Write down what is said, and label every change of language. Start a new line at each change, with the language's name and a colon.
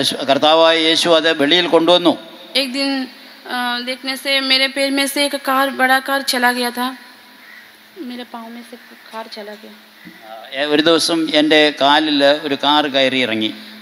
Malayalam: കർത്താവായ യേശു അത് വെളിയിൽ കൊണ്ടുവന്നു
Hindi: एक दिन देखने से मेरे पैर में से एक कार बड़ा कार चला गया था मेरे पांव में से कार चला गया
Malayalam: ഒരു ദിവസം എൻ്റെ കാലിൽ ഒരു കാർ കയറി ഇറങ്ങി